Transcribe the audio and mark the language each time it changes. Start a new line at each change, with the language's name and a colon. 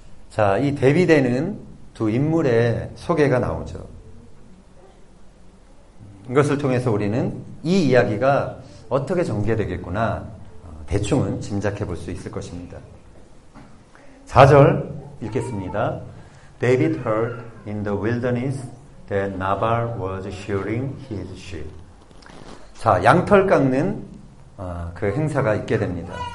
Korean: 자, 이 대비되는 두 인물의 소개가 나오죠. 이것을 통해서 우리는 이 이야기가 어떻게 전개되겠구나 대충은 짐작해 볼 수 있을 것입니다. 4절 읽겠습니다.
English: David heard in the wilderness that Nabal was shearing his sheep.
Korean: 자, 양털 깎는 그 행사가 있게 됩니다.